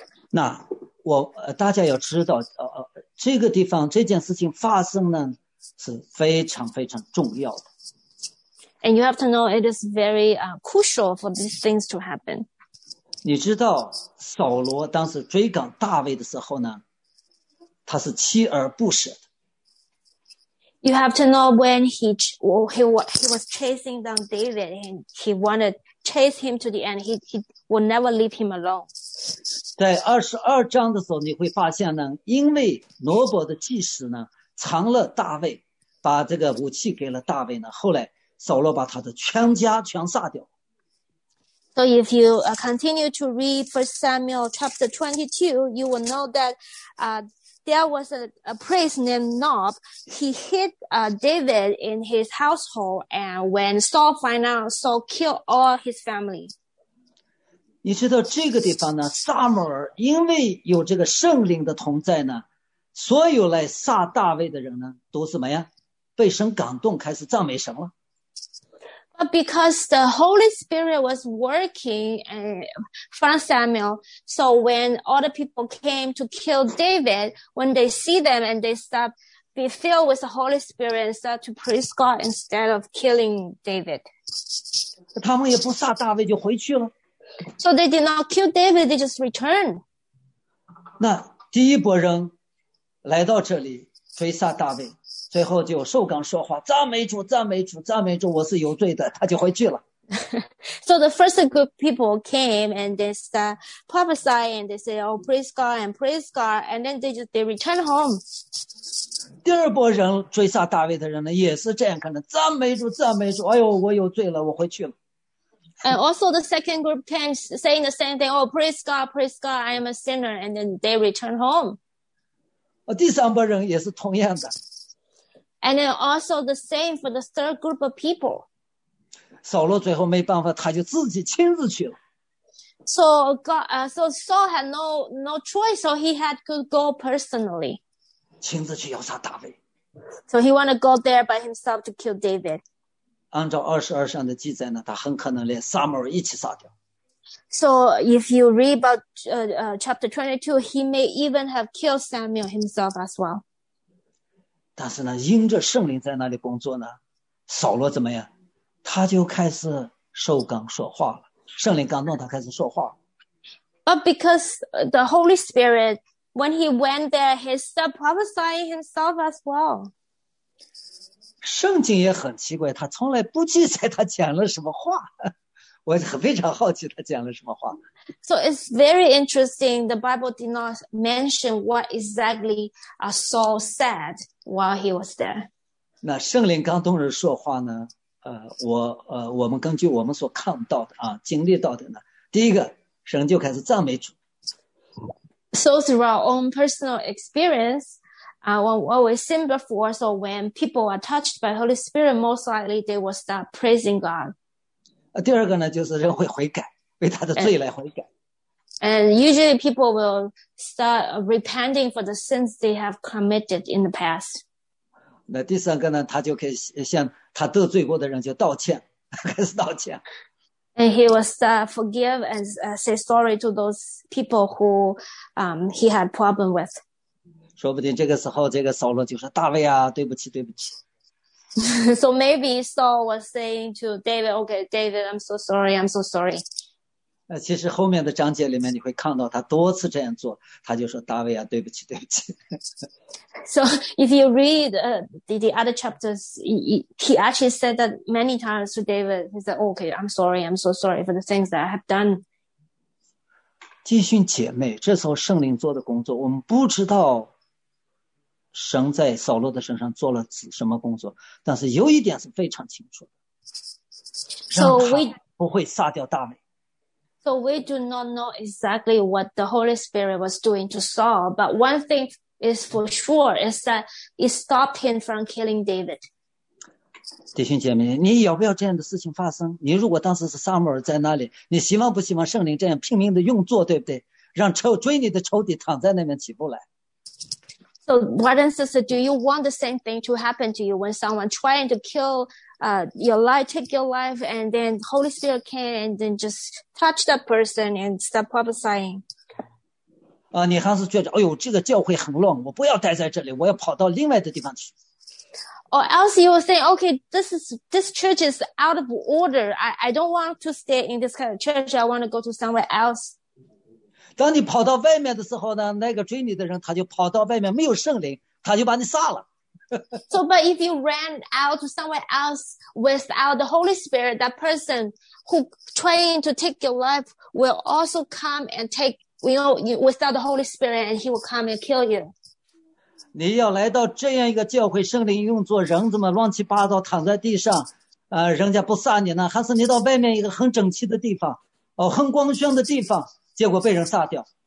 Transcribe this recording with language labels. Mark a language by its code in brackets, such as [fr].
[zh] 那我大家要知道，这个地方这件事情发生呢是非常非常重要的。 [en] And you have to know it is very crucial for these things to happen. [zh] 你知道扫罗当时追赶大卫的时候呢，他是锲而不舍的。 [en] You have to know when he was chasing down David and he wanted to chase him to the end. He will never leave him alone. [zh] 在22章的时候你会发现呢，因为挪伯的祭司呢藏了大卫，把这个武器给了大卫呢，后来扫罗把他的全家全杀掉。 [en] So if you continue to read 1 Samuel chapter 22, you will know that, There was a priest named Nob. He hid David in his household, and when Saul found out, Saul killed all his family. [zh] 你知道这个地方呢？撒母耳因为有这个圣灵的同在呢，所有来杀大卫的人呢，都怎么样？被神感动，开始赞美神了。 [en] But because the Holy Spirit was working from Samuel, so when all the people came to kill David, when they see them and they start be filled with the Holy Spirit and start to praise God instead of killing David. [zh] 他们也不杀大卫就回去了。 [en] So they did not kill David, they just returned. [zh] 那第一波人来到这里追杀大卫。最后就受感说话，赞美主，赞美主，赞美主，我是有罪的，他就回去了。 [en] So the first group people came and they start prophesying and they say, "Oh, praise God and praise God," and then they returned home. [zh] 第二波人追杀大卫的人呢，也是这样看的，赞美主，赞美主，哎呦，我有罪了，我回去了。 [en] And also the second group came saying the same thing. Oh, praise God, I am a sinner. And then they return home. [zh] 第三波人也是同样的。 [en] And then also the same for the third group of people. [zh] 扫罗最后没办法，他就自己亲自去了。 [en] So God, so Saul had no choice, so he had to go personally. [zh] 亲自去要杀大卫。 [en] So he wanted to go there by himself to kill David. [zh] 按照22上的记载呢，他很可能连撒母耳一起杀掉。 [en] So if you read about chapter 22, he may even have killed Samuel himself as well. [zh] 但是呢，因着圣灵在那里工作呢，扫罗怎么样？他就开始受感说话了。圣灵感动他开始说话。 [en] But because the Holy Spirit, when he went there, he started prophesying himself as well. [zh] 圣经也很奇怪，他从来不记载他讲了什么话。我非常好奇他讲了什么话。 [en] So it's very interesting. The Bible did not mention what exactly Saul said while he was there. [zh] 那圣灵感动人说话呢？我们根据我们所看到的啊，经历到的呢，第一个，神就开始赞美主。 [en] So through our own personal experience, what we've seen before, so when people are touched by Holy Spirit, most likely they will start praising God. [zh] 第二个呢，就是人会悔改，为他的罪来悔改。 [en] And usually people will start repenting for the sins they have committed in the past. [zh] 那第三个呢，他就可以向他得罪过的人就道歉，开始道歉。 [en] And he was forgive and say sorry to those people who, he had problem with. [zh] 说不定这个时候，这个扫罗就说：“大卫啊，对不起，对不起。 [en] ”So maybe Saul was saying to David, "Okay, David, I'm so sorry, I'm so sorry." [zh] 其实后面的章节里面你会看到他多次这样做，他就说：“大卫啊，对不起，对不起。 [en] ”So if you read the other chapters, he actually said that many times to David. He said, "Okay, I'm sorry. I'm so sorry for the things that I have done." [zh] 弟兄姐妹，这时候圣灵做的工作，我们不知道神在扫罗的身上做了什么工作，但是有一点是非常清楚的，让他不会杀掉大卫。 [en] So we do not know exactly what the Holy Spirit was doing to Saul, but one thing is for sure is that it stopped him from killing David. [zh] 弟兄姐妹，你要不要这样的事情发生？你如果当时是撒母耳在那里，你希望不希望圣灵这样拼命的用作，对不对？让追你的仇敌躺在那边起不来。 [en] So, brother and sister, do you want the same thing to happen to you when someone trying to kill your life, take your life, and then Holy Spirit came and then just touch that person and start prophesying? [zh] 你还是觉得，哎呦，这个教会很乱，我不要待在这里，我要跑到另外的地方去。 [en] Or else you will say, okay, this church is out of order. I don't want to stay in this kind of church. I want to go to somewhere else. [zh] 当你跑到外面的时候呢，那个追你的人他就跑到外面，没有圣灵，他就把你杀了。 [en] So, but if you ran out to somewhere else without the Holy Spirit, that person who trying to take your life will also come and take, you know, without the Holy Spirit, and he will come and kill you. [zh] 你要来到这样一个教会，圣灵用作人怎么乱七八糟躺在地上，人家不杀你呢？还是你到外面一个很整齐的地方，哦，很光鲜的地方，结果被人杀掉